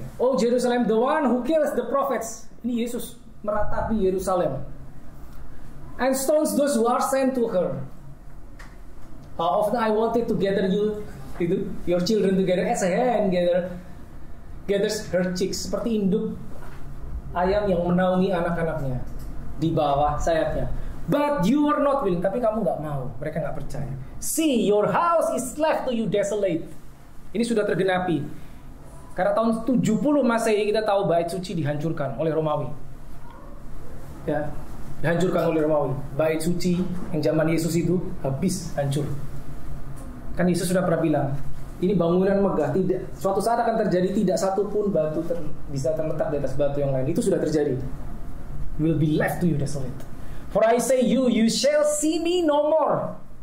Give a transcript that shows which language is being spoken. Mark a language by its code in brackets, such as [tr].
[en] Oh Jerusalem, the one who kills the prophets. [id] Ini Yesus meratapi Yerusalem. [en] And stones those who are sent to her. How often I wanted to gather you, itu, your children together as a hen gathers her chicks. [id] Seperti induk ayam yang menaungi anak-anaknya di bawah sayapnya. [en] But you are not willing. [id] Tapi kamu gak mau. Mereka gak percaya. [en] See, your house is left to you desolate. [id] Ini sudah tergenapi. Karena tahun 70 Masehi kita tahu bait suci dihancurkan oleh Romawi. Ya, dihancurkan oleh Romawi. Bait suci yang zaman Yesus itu habis hancur. Kan Yesus sudah pernah bilang, ini bangunan megah, tidak suatu saat akan terjadi tidak satu pun batu bisa terletak di atas batu yang lain. Itu sudah terjadi. [en] Will be left to you desolate. For I say you shall see me no more.